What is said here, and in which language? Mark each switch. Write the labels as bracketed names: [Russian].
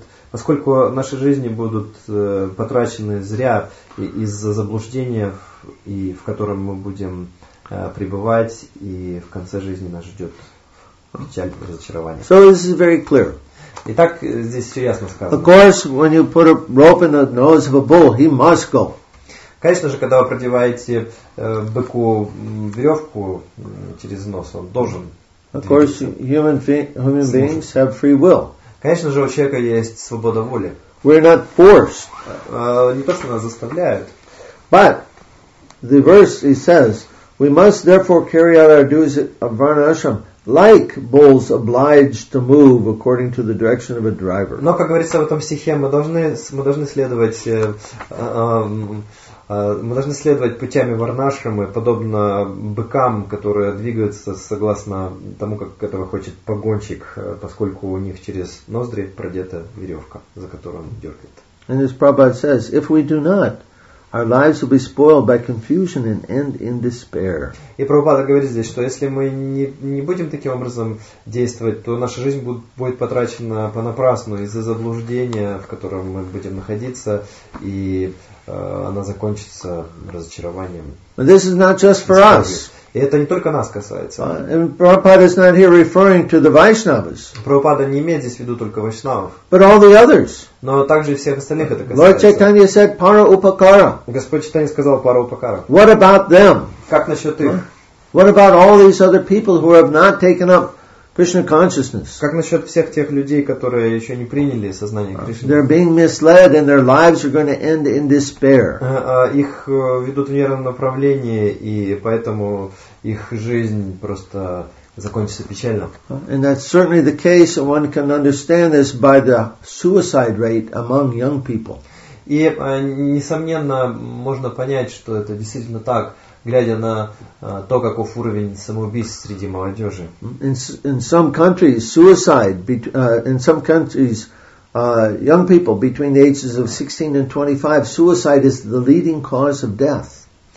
[Russian] поскольку наши жизни будут потрачены зря из-за заблуждения, и в котором мы будем пребывать, и в конце жизни нас ждет печаль и разочарование. [English] So this is very clear. [Russian] Итак, здесь все ясно сказано. [English] Of course, when you put a rope in the nose of a bull, he must go. [Russian] Конечно же, когда вы продеваете быку веревку через нос, он должен. [English] Of course, human beings have free will. [Russian] Конечно же, у человека есть свобода воли. [English] We're not forced. [Russian] Не то, что нас заставляют. [English] But the verse it says, we must therefore carry out our duties of varnashram, like bulls obliged to move according to the direction of a driver. [Russian] Но, как говорится в этом стихе, мы должны следовать. Мы должны следовать путями варнашрамы, подобно быкам, которые двигаются согласно тому, как этого хочет погонщик, поскольку у них через ноздри продета веревка, за которую он дергает. [English] And as Prabhupada says, if we do not, our lives will be spoiled by confusion and end in despair. [Russian] И Прабхупада говорит здесь, что если мы не будем таким образом действовать, то наша жизнь будет потрачена понапрасну из-за заблуждения, в котором мы будем находиться, и она закончится разочарованием. [English] But this is not just for us. [Russian] И это не только нас касается. [English] And Prabhupada is not here referring to the Vaishnavas. [Russian] Прабхупада не имеет здесь в виду только Вайшнавов. [English] But all the others. [Russian] Но также и всех остальных это касается. [English] Lord Chaitanya said para upakara. [Russian] Господь Чайтанья сказал para upakara. [English] What about them? [Russian] Как насчет их? [English] What about all these other people who have not taken up Krishna consciousness? [Russian] Как насчет всех тех людей, которые еще не приняли сознание Кришны? [English] They're being misled and their lives are going to end in despair. [Russian] Их ведут в неверном направлении, и поэтому их жизнь просто закончится печально. [English] And that's certainly the case, and one can understand this by the suicide rate among young people. [Russian] И несомненно можно понять, что это действительно так, глядя на то, каков уровень самоубийств среди молодежи. [English] In some countries, young people between the ages of 16 and 25, suicide is the leading cause of death.